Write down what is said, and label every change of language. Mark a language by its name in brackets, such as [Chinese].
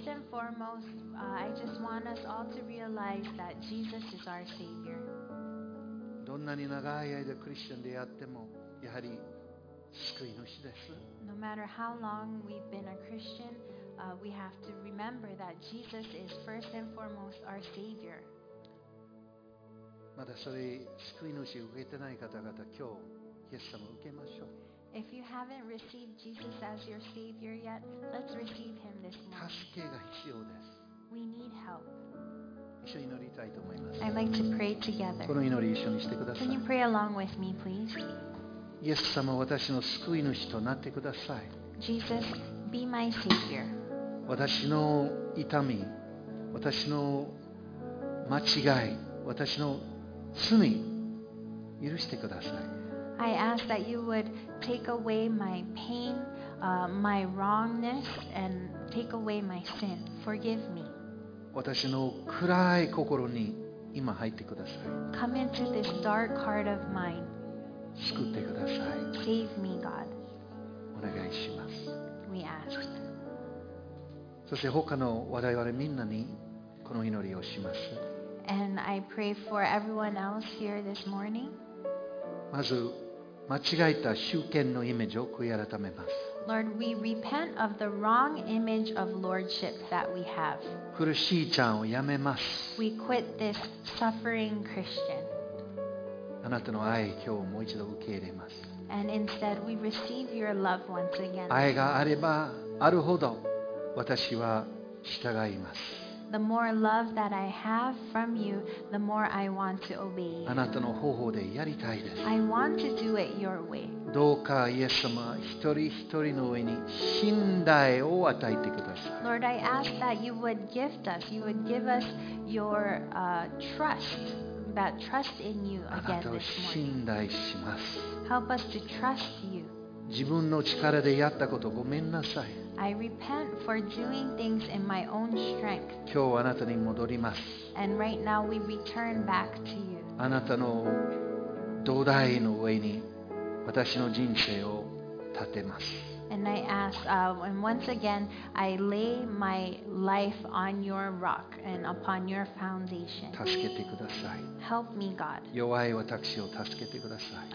[English] foremost, I just want us all to realize that Jesus is our Savior. [Japanese] どんなに長い間クリスチャンでやってもやはり救い主です。 [English] No matter how long we've been a Christian, we have to remember that Jesus is first and foremost our Savior. [Japanese] まだそれ救い主を受けてない方々、今日イエス様を受けましょう。 [English] If you haven't received Jesus as your Savior yet, let's receive Him this morning. [Japanese] 助けが必要です。 [English] We need help. [Japanese] 一緒に祈りたいと思います。 [English] I'd like to pray together. [Japanese] この祈り一緒にしてください。 [English] Can you pray along with me, please? [Japanese] イエス様、私の救い主となってください。 [English] Jesus, be my Savior. [Japanese] 私の痛み、私の間違い、私の罪、許してください。 [English] I ask that you would take away my pain, my wrongness, and take away my sin. Forgive me. [Japanese] 私の暗い心に今入ってください。 [English] Come into this dark heart of mine. [Japanese] 救ってください。 [English] Save me, God. [Japanese] お願いします。 [English] We ask. [Japanese] そして他の我々みんなにこの祈りをします。 [English] And I pray for everyone else here this morning. [Japanese] まず間違えた宗教のイメージを悔い改めます。 [English] Lord, we repent of the wrong image of lordship that we have. [Japanese] 苦しいちゃんをやめます。 [English] We quit this suffering Christian. [Japanese] あなたの愛、今日もう一度受け入れます。 [English] And instead, we receive your love once again. [Japanese] 愛があればあるほど私は従います。 [English] The more love that I have from you, the more I want to obey you. [Japanese] あなたの方法でやりたいです。 [English] I want to do it your way. [Japanese] どうかイエス様、一人一人の上に信頼を与えてください。 [English] Lord, I ask that you would gift us, you would give us your trust, that trust in you again this morning. [Japanese] あなたを信頼します。 [English] Help us to trust you. [Japanese] 自分の力でやったことごめんなさい。 [English] I repent for doing things in my own strength. [Japanese] 今日あなたに戻ります。 [English] And right now we return back to you. [Japanese] あなたの土台の上に私の人生を立てます。 [English] And I ask, and once again, I lay my life on your rock and upon your foundation. [Japanese] 助けてください。 [English] Help me, God. [Japanese] 弱い私を助けてください。